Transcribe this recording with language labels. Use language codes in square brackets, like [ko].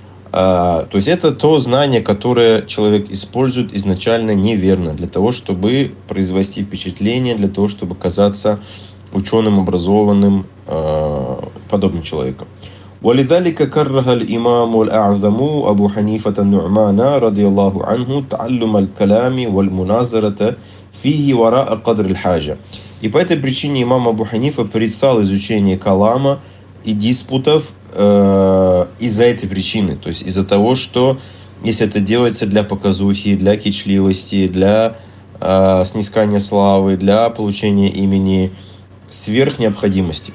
[ru] То есть это то знание, которое человек использует изначально неверно для того, чтобы произвести впечатление, для того, чтобы казаться ученым, образованным, подобным человеком. [ar] ولذلك كره الإمام الأعظم أبو حنيفة النعمان رضي الله عنه تعلم الكلام والمناظرة فيه وراء قدر الحاجة. [ru] И по этой причине имам Абу Ханифа порицал изучение калама и диспутов из-за этой причины, то есть из-за того, что если это делается для показухи, для кичливости, для снискания славы, для получения имени сверх необходимости.